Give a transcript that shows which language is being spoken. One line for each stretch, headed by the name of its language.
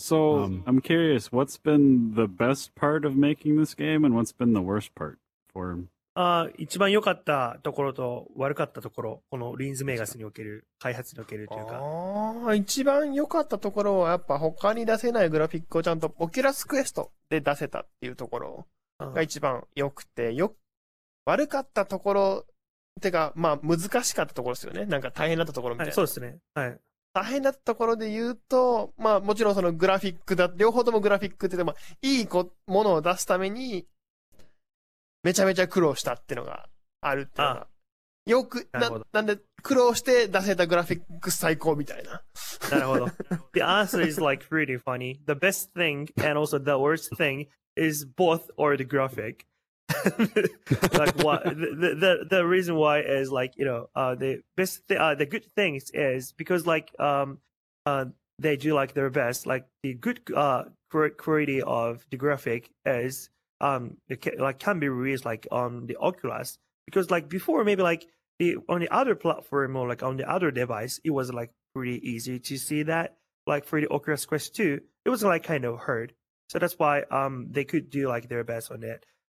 English: So, I'm curious, what's been the best part of making this game and what's been the worst part for him?
Japanese: 一番良かったところと悪かったところ、このリンズメガスにおける、開発におけるというか。一番良かったところはやっぱ他に出せないグラフィックをちゃんとオキュラスクエストで出せたっていうところが一番良くて、悪かったところ、てか、まあ難しかったところですよね。なんか大変だったところみたいな。はい、そうですね。はい。大変だったところで言うと、まあもちろんそのグラフィックだ、両方ともグラフィックって言っても、いいものを出すために、めちゃめちゃ苦労したっていうのがあるっていうのが、ああよく、なんで苦労して出せたグラフィック最高みたいな。なるほど。
English: The answer is like really funny. The best thing and also the worst thing is both or the graphic. like what the reason why is like you know the best the good things is because like they do like their best like the good quality of the graphic is like can be released like on the Oculus because like before maybe like the on the other platform or like on the other device it was like pretty easy to see that like for the Oculus Quest 2 it was like kind of hard so that's why they could do like their best on it.